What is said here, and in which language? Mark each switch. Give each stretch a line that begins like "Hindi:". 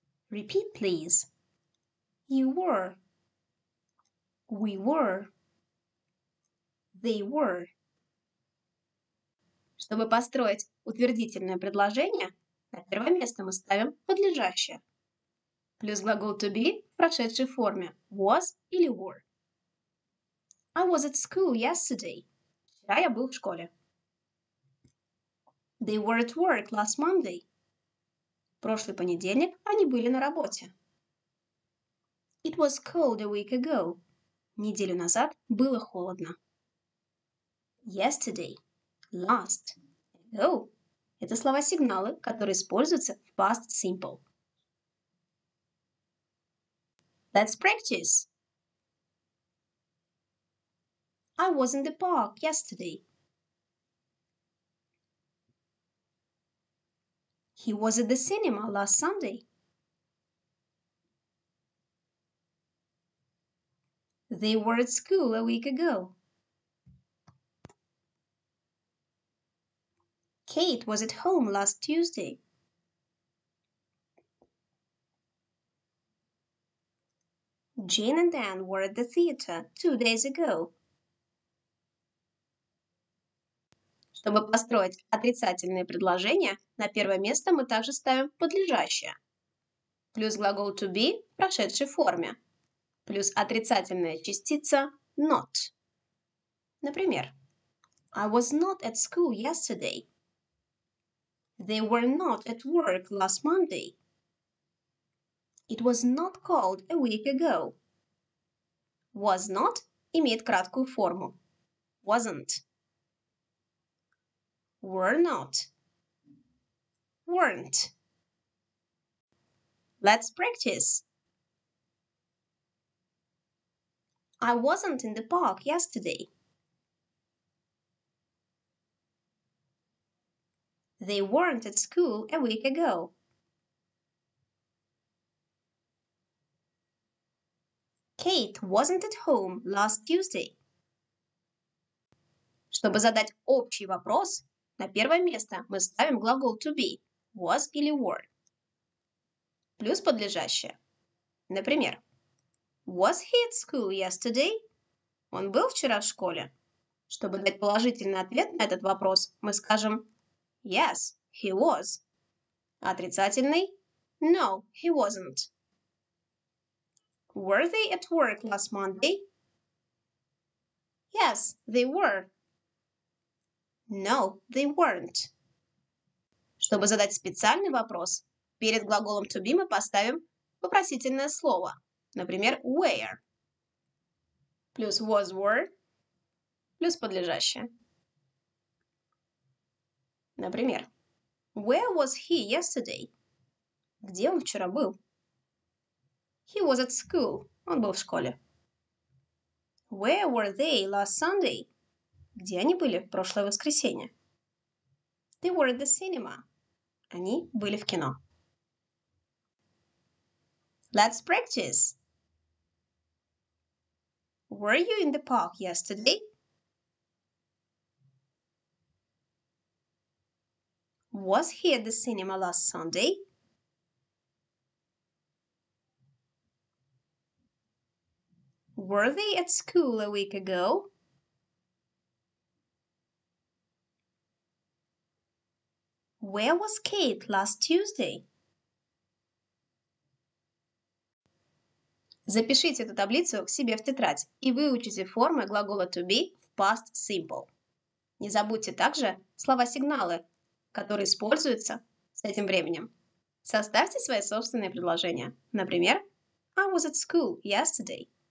English: Repeat, please. You were. We were. They were.
Russian: Чтобы построить утвердительное предложение, на первое место мы ставим подлежащее. Плюс глагол to be в прошедшей форме was или were.
English: I was at school yesterday.
Russian: Вчера я был в школе.
English: They were at work last Monday.
Russian: Прошлый понедельник они были на работе.
English: It was cold a week ago.
Russian: Неделю назад было холодно.
English: Yesterday. Last. Ago.
Russian: Это слова-сигналы, которые используются в past simple.
English: Let's practice. I was in the park yesterday. He was at the cinema last Sunday. They were at school a week ago. Kate was at home last Tuesday. Jane and Anne were at the theater 2 days ago.
Russian: Чтобы построить отрицательные предложения, на первое место мы также ставим подлежащее. Плюс глагол to be в прошедшей форме. Плюс отрицательная частица not. Например,
English: I was not at school yesterday. They were not at work last Monday. It was not cold a week ago. Was not
Russian: имеет краткую форму.
English: Wasn't. Were not. Weren't. Let's practice. I wasn't in the park yesterday. They weren't at school a week ago. Kate wasn't at home last Tuesday.
Russian: Чтобы задать общий вопрос, на первое место мы ставим глагол to be, was или were, плюс подлежащее. Например,
English: was he at school yesterday?
Russian: Он был вчера в школе? Чтобы дать положительный ответ на этот вопрос, мы скажем
English: yes, he was.
Russian: А отрицательный
English: no, he wasn't. Were they at work last Monday? Yes, they were. No, they weren't.
Russian: Чтобы задать специальный вопрос, перед глаголом to be мы поставим вопросительное слово. Например,
English: where.
Russian: Плюс
English: was, were.
Russian: Плюс подлежащее.
English: Например, where was he yesterday?
Russian: Где он вчера был?
English: He was at school.
Russian: Он был в школе.
English: Where were they last Sunday?
Russian: Где они были в прошлое воскресенье?
English: They were at the cinema.
Russian: Они были в кино.
English: Let's practice. Were you in the park yesterday? Was he at the cinema last Sunday? Were they at school a week ago? Where was Kate last Tuesday?
Russian: Запишите эту таблицу к себе в тетрадь и выучите формы глагола to be в past simple. Не забудьте также слова-сигналы, которые используются с этим временем. Составьте свои собственные предложения. Например,
English: I was at school yesterday.